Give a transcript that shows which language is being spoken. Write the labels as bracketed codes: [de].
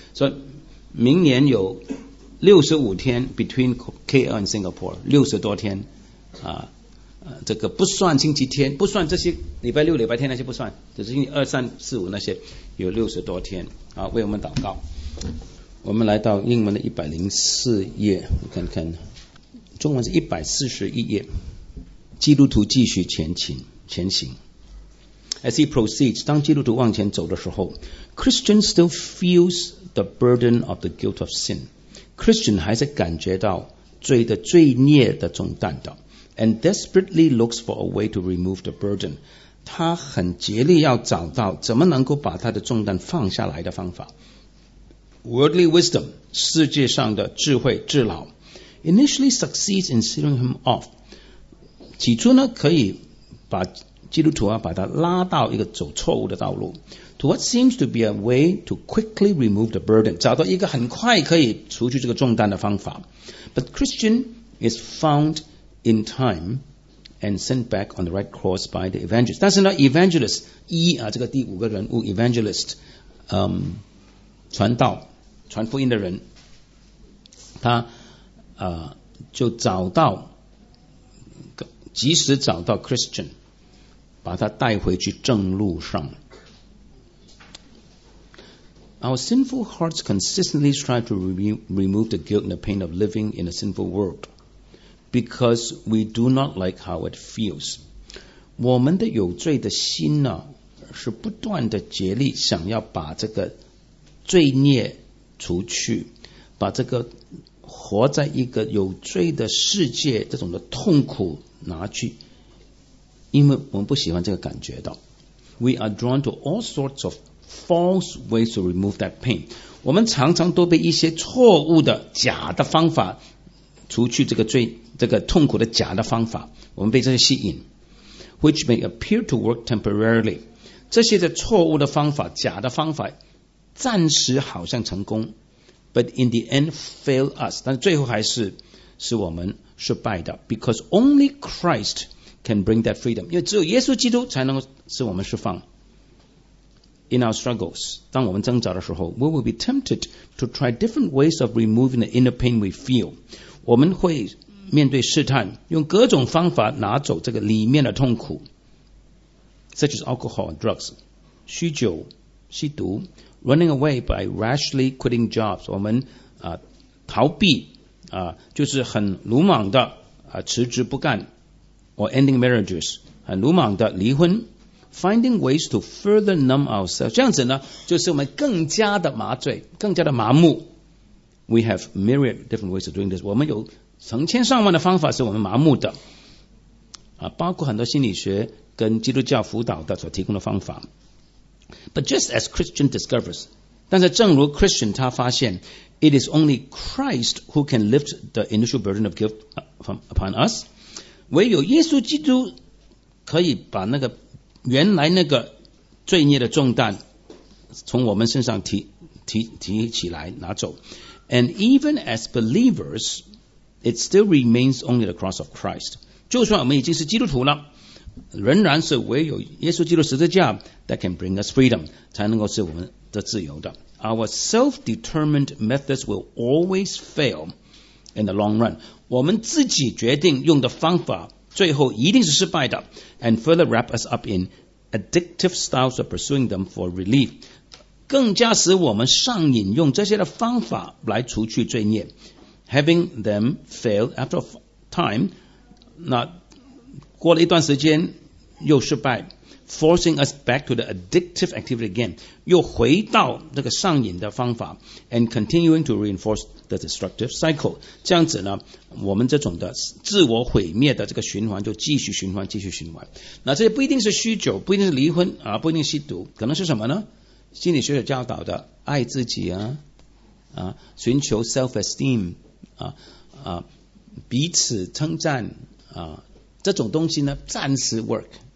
[zh] 所以明年有65天 [en] between KL and Singapore， [zh] 60多天这个不算星期天，不算这些礼拜六礼拜天那些不算，只是星期二三四五那些有60多天。好，为我们祷告。我们来到英文的104页，我看看中文是141页。基督徒继续前行。 [en] As he proceeds， [zh] 当基督徒往前走的时候， [en] Christian still feels the burden of the guilt of sin， Christian [zh] 还是感觉到罪孽的重担的。 [en] And desperately looks for a way to remove the burden， [zh] 他很竭力要找到怎么能够把他的重担放下来的方法。 [en] Worldly wisdom， [zh] 世界上的智慧智老， [en] initially succeeds in sealing him off， [zh] 起初呢可以把基督徒把他拉到一个走错误的道路。 [en] To what seems to be a way to quickly remove the burden， [zh] 找到一个很快可以除去这个重担的方法。 [en] But Christian is foundin time and sent back on the right course by the evangelist， [zh] 但是呢 evangelist 这个第五个人物 evangelist 传道传福音的人，他就找到，及时找到 Christian， 把他带回去正路上。 [en] Our sinful hearts consistently strive to remove the guilt and the pain of living in a sinful worldBecause we do not like how it feels， [zh] 我们的有罪的心呢，是不断的竭力想要把这个罪孽除去，把这个活在一个有罪的世界这种的痛苦拿去，因为我们不喜欢这个感觉的。 [en] We are drawn to all sorts of false ways to remove that pain， [zh] 我们常常都被一些错误的假的方法除去这个罪。这个痛苦的假的方法，我们被这些吸引 ， [en] which may appear to work temporarily， [zh] 这些的错误的方法、假的方法，暂时好像成功 ， [en] but in the end fail us， [zh] 但最后还是我们失败的 ， [en] because only Christ can bring that freedom， [zh] 因为只有耶稣基督才能使我们释放。 [en] In our struggles， [zh] 当我们挣扎的时候 [en] ，we will be tempted to try different ways of removing the inner pain we feel， [zh] 我们会面对试探，用各种方法拿走这个里面的痛苦， [en] such as alcohol and drugs， [zh] 酗酒、吸毒 ， [en] running away by rashly quitting jobs， [zh] 我们逃避就是很鲁莽的辞职不干 ， [en] or ending marriages， [zh] 很鲁莽的离婚 ， [en] finding ways to further numb ourselves， [zh] 这样子呢，就是我们更加的麻醉，更加的麻木。 [en] We have myriad different ways of doing this， [zh] 我们有成千上万的方法是我们麻木的包括很多心理学跟基督教辅导的所提供的方法。 [en] But just as [zh] Christian discovers， 但是正如 Christian 他发现 [en] It is only Christ who can lift the initial burden of guilt upon us， [zh] 唯有耶稣基督可以把那个原来那个罪孽的重担从我们身上 提起来拿走。 [en] And even as believersIt still remains only the cross of Christ， [zh] 就算我们已经是基督徒了，仍然是唯有耶稣基督十字架 [en] that can bring us freedom， [zh] 才能够是我们的自由的。 [en] Our self-determined methods will always fail in the long run， [zh] 我们自己决定用的方法最后一定是失败的。 [en] And further wrap us up in addictive styles of pursuing them for relief， [zh] 更加使我们上瘾用这些的方法来除去罪孽。 Having them fail after time， 那过了一段时间又失败， [en] forcing us back to the addictive activity again, [zh] 又回到这个上瘾的方法 [en] and continuing to reinforce the destructive cycle. [zh] 这样子呢，我们这种的自我毁灭的这个循环就继续循环，继续循环。那这些不一定是酗酒，不一定是离婚啊，不一定是吸毒，可能是什么呢？心理学者教导的爱自己啊，啊，寻求 [en] self-esteem [zh] 啊啊，彼此称赞啊，这种东西呢，暂时 work。